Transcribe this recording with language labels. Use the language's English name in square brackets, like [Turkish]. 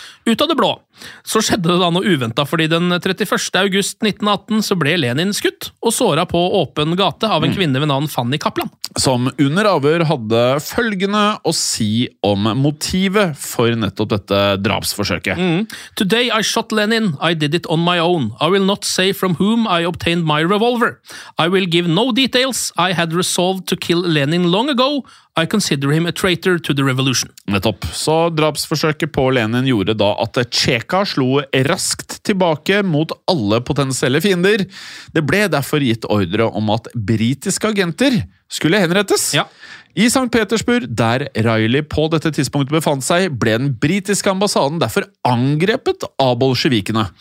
[Norwegian] Ut av det blå, så skjedde det da noe uventet, fordi den 31. august 1918 så ble Lenin skutt, og såret på åpen gate av en kvinne ved navn Fanny Kaplan. Som under avhør hadde følgende å si om motivet for nettopp dette drapsforsøket. [English] Today I shot Lenin, I did it on my own. I will not say from whom I obtained my revolver. I will give no details. I had resolved to kill Lenin long ago. I consider him a traitor to the revolution. [Norwegian] Nettopp. Så drapsforsøket på Lenin gjorde da at Cheka slo raskt tilbake mot alle potensielle fiender. Det ble derfor gitt ordre om at britiske agenter skulle henrettes. Ja. I St. Petersburg, der Reilly på dette tidspunktet befant seg, ble den britiske ambassaden derfor angrepet av bolsjevikene.